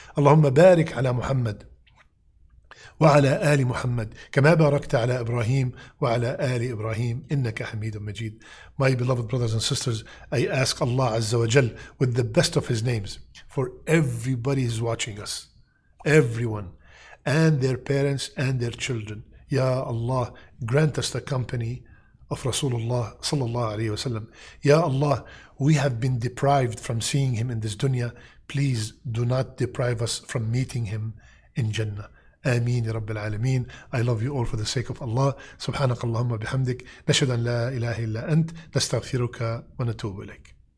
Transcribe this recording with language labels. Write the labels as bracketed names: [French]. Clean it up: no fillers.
[Arabic] Allahumma barik ala Muhammad وعلى آل محمد كما باركت على إبراهيم وعلى آل إبراهيم إنك حميد مجيد. [English] My beloved brothers and sisters, I ask Allah Azza wa Jal with the best of His names for everybody who's watching us, everyone, and their parents and their children. Ya Allah, grant us the company of Rasulullah sallallahu alayhi wa sallam. Ya Allah, we have been deprived from seeing Him in this dunya. Please do not deprive us from meeting Him in Jannah. [Arabic] آمين يا رب العالمين. [English] I love you all for the sake of Allah. [Arabic] سبحانك اللهم بحمدك نشهد أن لا إله إلا أنت نستغفرك ونتوب إليك.